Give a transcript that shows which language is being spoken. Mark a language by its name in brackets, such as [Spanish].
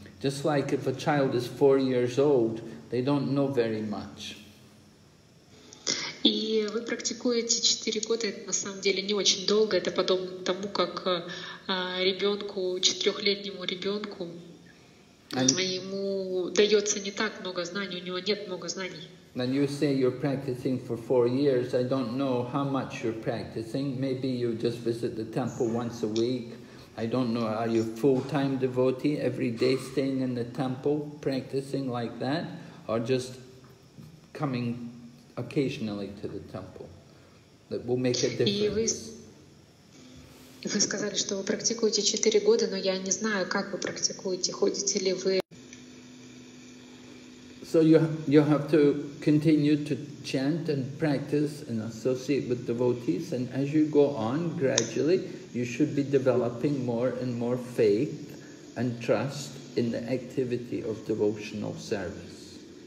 [English] Just like if a child is 4 years old, they don't know very much. [Russian] И вы практикуете 4 года, это на самом деле не очень долго, это подобно тому, как ребенку, 4-летнему ребенку, ему дается не так много знаний, у него нет много знаний. [English] And you say you're practicing for 4 years, I don't know how much you're practicing, maybe you just visit the temple once a week, I don't know, are you a full-time devotee, every day staying in the temple, practicing like that, or just coming occasionally to the temple, that will make a difference. [Russian] Вы сказали, что вы практикуете 4 года, но я не знаю, как вы практикуете, ходите ли вы. [English] So you have to continue to chant and practice and associate with devotees, and as you go on gradually, you should be developing more and more faith and trust in the activity of devotional service.